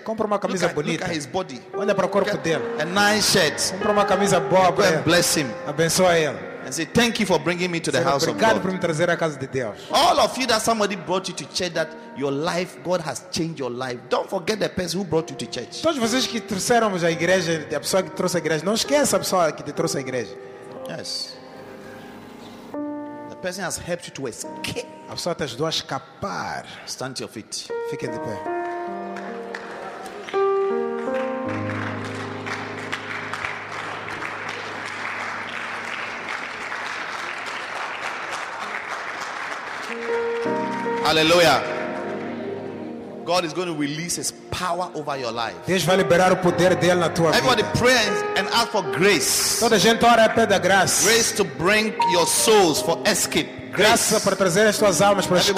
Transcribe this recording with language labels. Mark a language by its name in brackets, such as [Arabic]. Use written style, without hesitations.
[Portuguese] Compre uma camisa bonita. [English] Look at his body. [Portuguese] Olha para o corpo dele. [English] A nice shirt. [Portuguese] Compre uma camisa boa para ele. [English] Bless him. [Portuguese] Abençoa ele. [English] And say thank you for bringing me to the house of God. [Portuguese] Obrigado por me trazer à casa de Deus. [English] All of you that somebody brought you to church, that your life, God has changed your life. Don't forget the person who brought you to church. [Portuguese] Todos vocês que trouxeram à igreja, a pessoa que trouxe à igreja, não esqueça a pessoa que te trouxe à igreja. [English] Yes. Person has helped you to escape. [Portuguese] A pessoa te ajudou a escapar. [English] Stand to your feet. [Portuguese] Fique de pé. Aleluia. [English] God is going to release His power over your life. [Portuguese] Deus vai liberar o poder dele na tua vida. [English] Everybody pray and ask for grace. [Portuguese] Toda gente ora e pede graça. [English] Grace to bring your souls for escape. [Portuguese] Graça para trazer as tuas almas para escape.